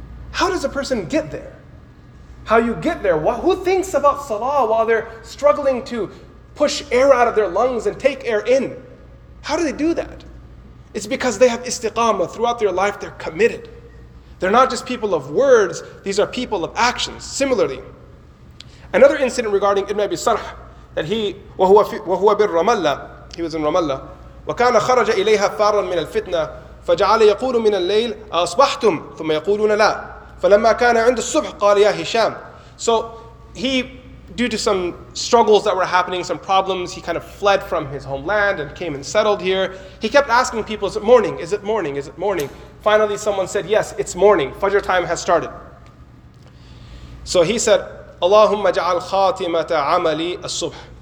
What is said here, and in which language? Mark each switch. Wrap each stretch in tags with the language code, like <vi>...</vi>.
<en>How does a person get there? How you get there? Who thinks about salah while they're struggling to push air out of their lungs and take air in? How do they do that? It's because they have istiqamah throughout their life, they're committed. They're not just people of words, these are people of actions. Similarly, another incident regarding Ibn Abi Sarh, that he,</en> <ar>وَهُوَ بِرْ رَمَلَّةِ,</ar> <en>he was in Ramallah,</en> <ar>وَكَانَ خَرَجَ إِلَيْهَا فَارًا مِنَ الْفِتْنَةِ فَجَعَلَ يَقُولُ مِنَ اللَّيْلِ أَصْبَحْتُمْ ثُمَّ يَقُولُونَ لَا فَلَمَّا كَانَ عِنْدُ الصُّبْحِ قَالَ يَا هِشَامِ.</ar> <en>So he, due to some struggles that were happening, some problems, he kind of fled from his homeland and came and settled here. He kept asking people, is it morning? Is it morning? Is it morning? Finally, someone said, yes, it's morning. Fajr time has started.</en> <ar>So he said, Allahumma ja'al khatimata amali as-subh.</ar>